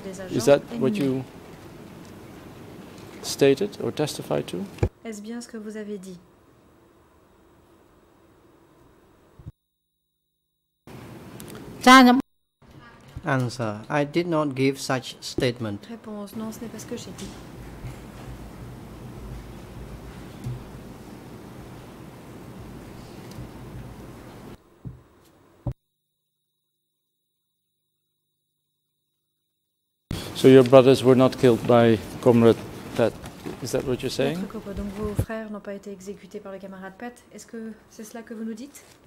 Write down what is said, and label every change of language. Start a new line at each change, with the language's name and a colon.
English: Is that what you stated or testified to?
French: Est-ce bien ce que vous avez dit?
English: Answer. I did not give such statement.
French: Réponse. Non, ce n'est pas ce que j'ai dit.
English: So your brothers were not killed by Comrade Pet. Is that what you're saying?
French: Donc vos frères n'ont pas été exécutés par le camarade Pet. Est-ce que c'est cela que vous nous dites?